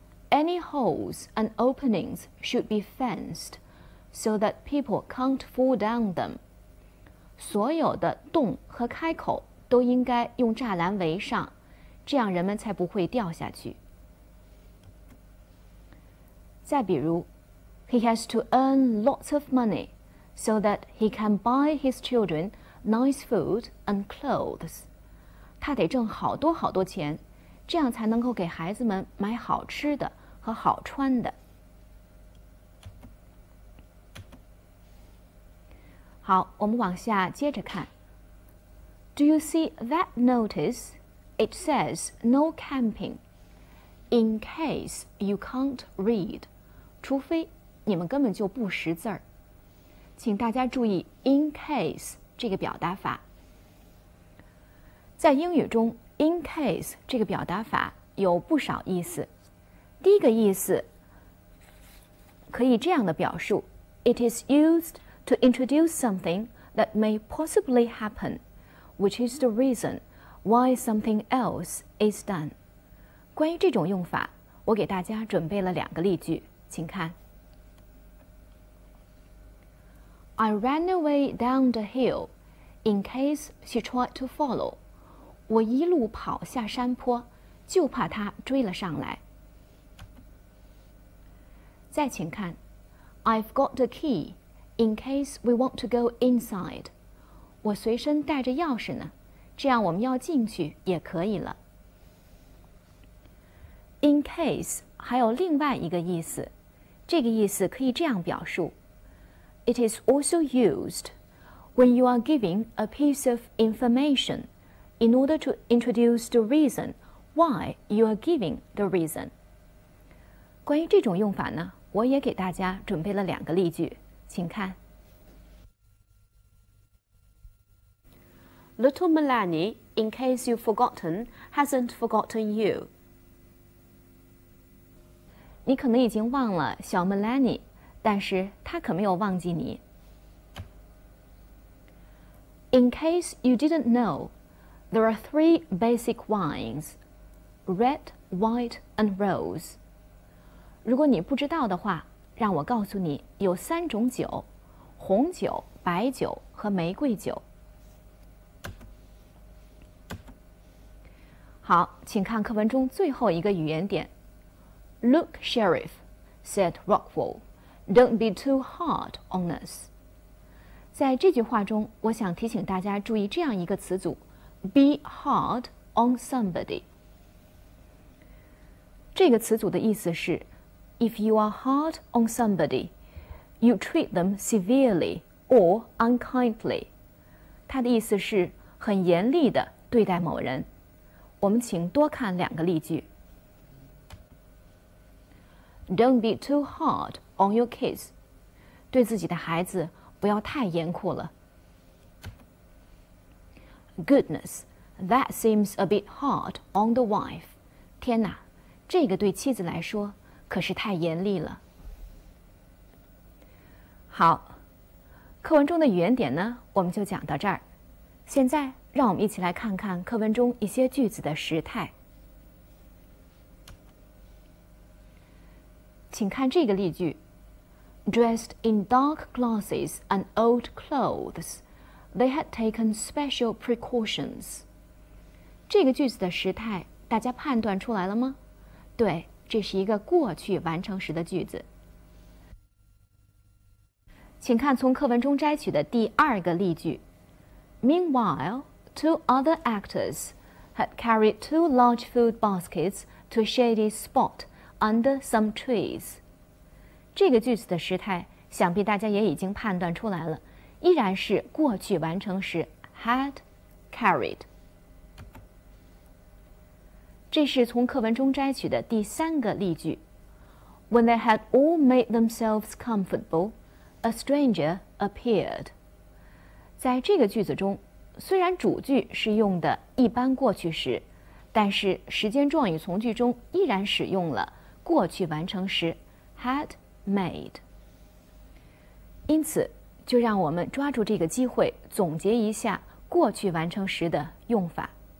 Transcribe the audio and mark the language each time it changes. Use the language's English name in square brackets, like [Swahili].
[English] Any holes and openings should be fenced so that people can't fall down them. [Chinese] 所有的洞和开口都应该用栅栏围上，这样人们才不会掉下去。再比如 [English] ,He has to earn lots of money so that he can buy his children nice food and clothes. [Chinese] 他得挣好多好多钱，这样才能够给孩子们买好吃的。和好穿的。好，我们往下接着看。 [English] Do you see that notice? It says no camping. In case you can't read, [Chinese] 除非你们根本就不识字儿。请大家注意 in case 这个表达法。在英语中 ，in case 这个表达法有不少意思。第一个意思可以这样的表述 [English] It is used to introduce something that may possibly happen, which is the reason why something else is done. [Chinese] 关于这种用法，我给大家准备了两个例句，请看。 [English] I ran away down the hill in case she tried to follow. [Chinese] 我一路跑下山坡，就怕她追了上来。再请看 [English] I've got the key in case we want to go inside. [Chinese] 我随身带着钥匙呢，这样我们要进去也可以了。 In case 还有另外一个意思，这个意思可以这样表述。 [English] It is also used when you are giving a piece of information in order to introduce the reason why you are giving the reason. [Chinese] 关于这种用法呢，我也给大家准备了两个例句，请看。 [English] Little Melanie, in case you've forgotten, hasn't forgotten you. [Chinese] 你可能已经忘了小 Melanie, 但是她可没有忘记你。 [English] In case you didn't know, there are three basic wines, red, white, and rose. [Chinese] 如果你不知道的话，让我告诉你有三种酒，红酒、白酒和玫瑰酒。好，请看课文中最后一个语言点。 [English] Look, Sheriff, said Rockwell, don't be too hard on us. [Chinese] 在这句话中，我想提醒大家注意这样一个词组 [English] be hard on somebody. [Chinese] 这个词组的意思是 [English] if you are hard on somebody, you treat them severely or unkindly. [Chinese] 它的意思是很严厉地对待某人。我们请多看两个例句。 [English] Don't be too hard on your kids. [Chinese] 对自己的孩子不要太严酷了。 [English] Goodness, that seems a bit hard on the wife. [Chinese] 天哪，这个对妻子来说可是太严厉了。好，课文中的语言点呢，我们就讲到这儿。现在让我们一起来看看课文中一些句子的时态。请看这个例句 [English] Dressed in dark glasses and old clothes, they had taken special precautions. [Chinese] 这个句子的时态大家判断出来了吗？对，这是一个过去完成时的句子。请看从课文中摘取的第二个例句 [English] Meanwhile,Two other actors had carried two large food baskets to a shady spot under some trees. [Chinese] 这个句子的时态想必大家也已经判断出来了，依然是过去完成时 had carried. 这是从课文中摘取的第三个例句。 [English] When they had all made themselves comfortable, a stranger appeared. [Chinese] 在这个句子中，虽然主句是用的一般过去时，但是时间状语从句中依然使用了过去完成时 had made。因此，就让我们抓住这个机会，总结一下过去完成时的用法。